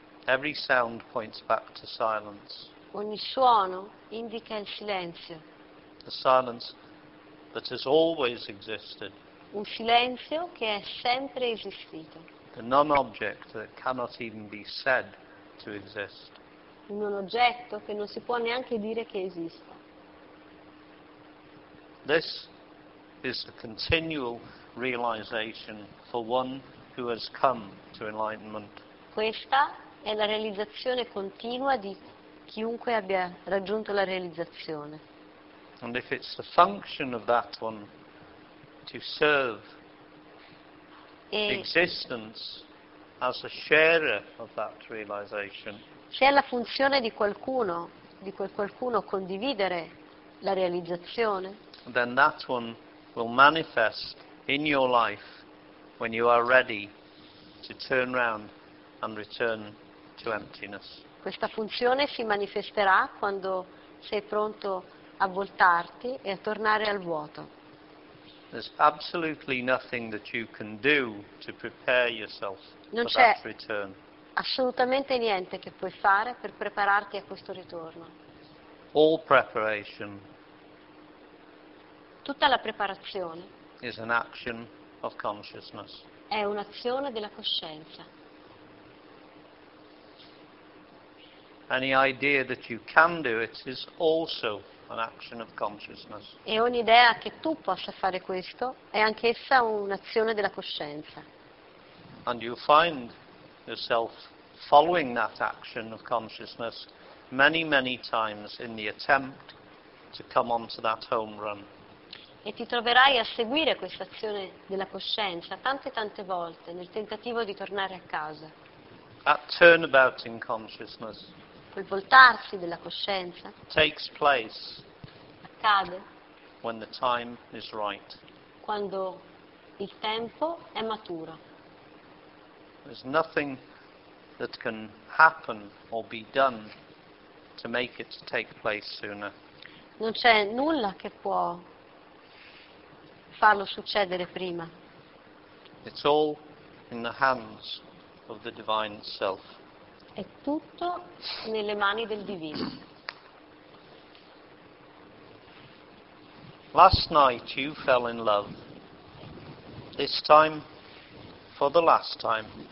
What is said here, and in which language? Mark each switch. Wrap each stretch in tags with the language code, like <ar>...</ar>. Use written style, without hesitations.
<en>Every sound points back to silence.</en> <it>Ogni suono indica il silenzio.</it> <en>The silence that has always existed.</en> <it>Un silenzio che è sempre esistito.</it> <en>The non-object that cannot even be said to exist.</en> <it>Un non oggetto che non si può neanche dire che esista.</it> <en>This is a continual realization for one who has come to enlightenment.</en> <it>Questa è la realizzazione continua di chiunque abbia raggiunto la realizzazione.</it> <en>And if it's the function of that one to serve existence as a sharer of that realization.</en> <it>Se è la funzione di qualcuno condividere la realizzazione.</it> <en>then that one will manifest in your life when you are ready to turn round and return to emptiness.</en> <it>Questa funzione si manifesterà quando sei pronto a voltarti e a tornare al vuoto.</it> <en>There's absolutely nothing that you can do to prepare yourself</en> <it>non</it> <en>for that return.</en> <it>Assolutamente niente che puoi fare per prepararti a questo ritorno.</it> <en>All preparation.</en> <it>Tutta la preparazione.</it> <en>Is an action of consciousness.</en> <it>È un'azione della coscienza.</it> <en>Any idea that you can do it is also an action of consciousness.</en> <it>E ogni idea che tu possa fare questo è anch'essa un'azione della coscienza.</it> <en>And you find yourself following that action of consciousness many, many times in the attempt to come onto that home run.</en> <it>E ti troverai a seguire questa azione della coscienza tante, tante volte nel tentativo di tornare a casa.</it> <en>That turnabout in consciousness.</en> <it>Quel voltarsi della coscienza</it> <en>takes place</en> <it>accade</it> <en>when the time is right.</en> <it>Quando il tempo è maturo.</it> <en>There's nothing that can happen or be done to make it take place sooner.</en> <it>Non c'è nulla che può farlo succedere prima.</it> <en>It's all in the hands of the divine self.</en> <it>È tutto nelle mani del divino.</it> <en>Last night you fell in love. This time, for the last time.</en>